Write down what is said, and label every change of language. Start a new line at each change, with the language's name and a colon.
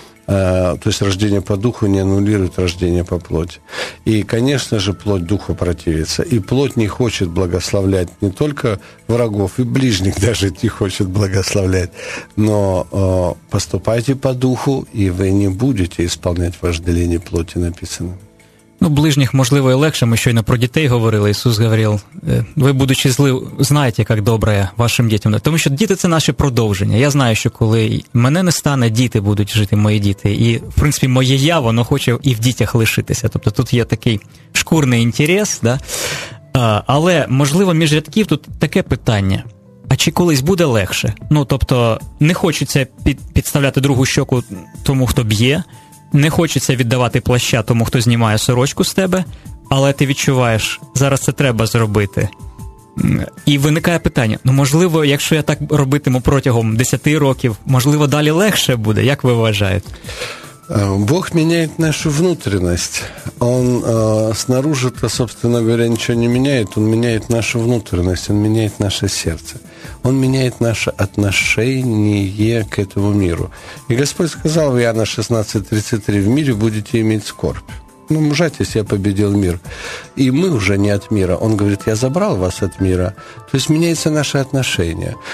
Russian: То есть рождение по духу не аннулирует рождение по плоти. И, конечно же, плоть духу противится. И плоть не хочет благословлять не только врагов, и ближних даже не хочет благословлять. Но поступайте по духу, и вы не будете исполнять вожделение плоти, написано.
Ukrainian: Ну, ближніх, можливо, і легше. Ми щойно про дітей говорили, Ісус говорив. Ви, будучи зли, знаєте, як добре вашим дітям. Тому що діти – це наше продовження. Я знаю, що коли мене не стане, діти будуть жити, мої діти. І, в принципі, моє я, воно хоче і в дітях лишитися. Тобто тут є такий шкурний інтерес. Да? Але, можливо, між рядків тут таке питання. А чи колись буде легше? Ну, тобто, не хочеться підставляти другу щоку тому, хто б'є. Не хочеться віддавати плаща тому, хто знімає сорочку з тебе, але ти відчуваєш, зараз це треба зробити. І виникає питання, ну, можливо, якщо я так робитиму протягом 10 років, можливо, далі легше буде, як ви вважаєте? Бог міняє нашу внутрішність. Він
Russian: снаружи-то, собственно говоря,
Ukrainian: нічого не міняє, він міняє нашу внутрішність, він міняє наше серце.
Russian: Он меняет наше отношение к этому миру. И Господь сказал в Иоанна 16:33, в мире будете иметь скорбь. Ну, мужайтесь, я победил мир. И мы уже не от мира. Он говорит, я забрал вас от мира. То есть меняется наше отношение.